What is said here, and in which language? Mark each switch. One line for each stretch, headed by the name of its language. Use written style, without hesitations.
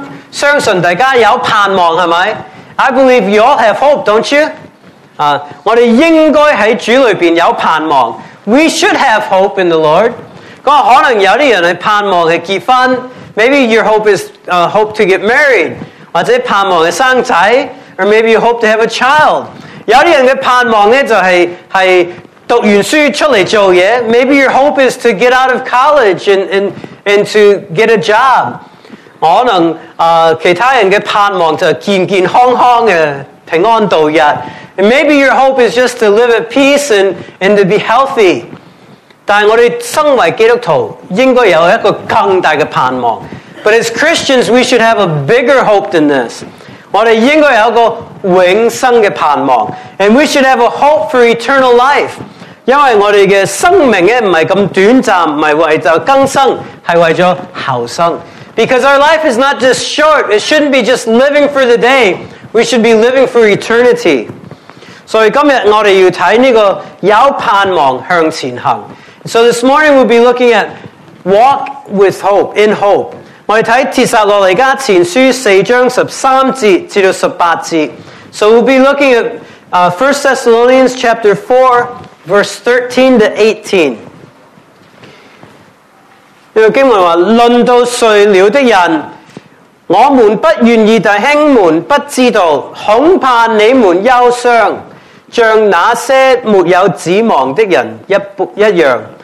Chinese: 相信大家有盼望，是不是？
English: I believe you all have hope, don't you?
Chinese: 我们应该在主里面有盼望。
English: We should have hope in the Lord.
Chinese: 可能有些人是盼望是结婚，
English: maybe your hope is hope to get married.
Chinese: 或者盼望的生仔，
English: or maybe you hope to have a child.
Chinese: 有些人的盼望呢，就是读完书出来做嘢。
English: Maybe your hope is to get out of college and to get a job.
Chinese: 可能其他人的盼望就是健健康康的平安度日。
English: And maybe your hope is just to live at peace and to be healthy.
Chinese: 但我哋身为基督徒，应该有一个更大的盼望。
English: But as Christians, we should have a bigger hope than this.
Chinese: 我们应该有个永生的盼望。
English: And we should have a hope for eternal life.
Chinese: 因为我们的生命不是这么短暂，不是为了更生，是为了后生。
English: Because our life is not just short, it shouldn't be just living for the day. We should be living for eternity.
Chinese: 所以今天我们要看这个有盼望向前行。
English: So this morning we'll be looking at walk with hope, in hope.
Chinese: 我们看帖撒罗尼迦前书四章十三节至到十八节。
English: So we'll be looking at 1 Thessalonians chapter 4, verse 13 to 18.
Chinese: 这个经文说，论到睡了的人，我们不愿意弟兄们不知道，恐怕你们忧伤，像那些没有指望的人一样。